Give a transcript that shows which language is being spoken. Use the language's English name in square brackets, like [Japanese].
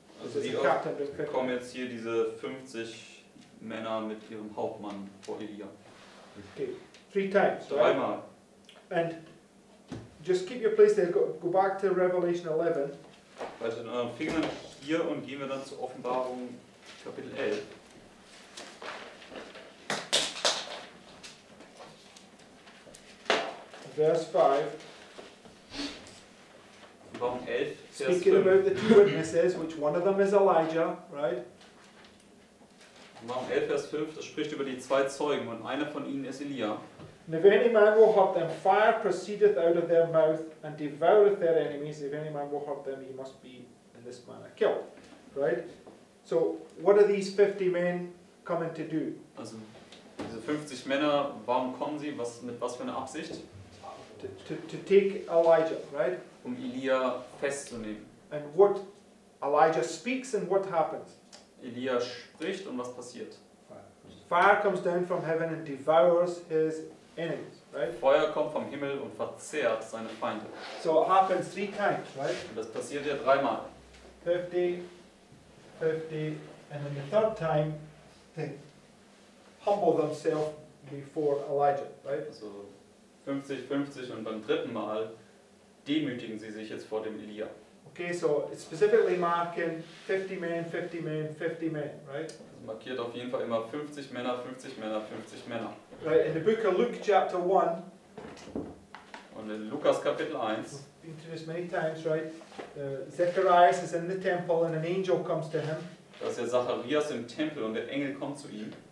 [German] Also die Captain, kommen jetzt hier diese 50 Männer mit ihrem Hauptmann vor Elia. [English] Okay, three times, [German] right? Dreimal. [English] And just keep your place there, go back to Revelation 11. [German] Also in euren Fingern hier und gehen wir dann zur Offenbarung Kapitel 11. [English] Verse 5. Speaking about the two witnesses, which one of them is Elijah, right? [German] Offenbarung 11, Vers 5, das spricht über die zwei Zeugen und einer von ihnen ist Elia. [English] And if any man will hurt them, fire proceedeth out of their mouth and devoureth their enemies. If any man will hurt them, he must be in this manner killed, right? So, what are these 50 men coming to do? [German] Also, diese 50 Männer, warum kommen sie? Was, mit was für einer Absicht? [English] To take Elijah, right? [German] Um Elia festzunehmen. [English] And what Elijah speaks and what happens? [German] Elia spricht und was passiert? [English] Fire comes down from heaven and devours his enemies, right? [German] Feuer kommt vom Himmel und verzehrt seine Feinde. [English] So it happens three times, right? [German] Und das passiert ja dreimal. [English] 50, 50, and then the third time they humble themselves before Elijah, right? [German] Also 50, 50 und beim dritten Mal demütigen sie sich jetzt vor dem Elia. [English] Okay, so it's specifically marking 50 men, 50 men, 50 men, right? [German] Also markiert auf jeden Fall immer 50 Männer, 50 Männer, 50 Männer. [English] Right, in the book of Luke chapter 1. [German] Und in Lukas Kapitel 1. [English] We've been through this many times, right? Zacharias is in the temple and an angel comes to him. [German] Da ist ja Zacharias im Tempel und der Engel kommt zu ihm.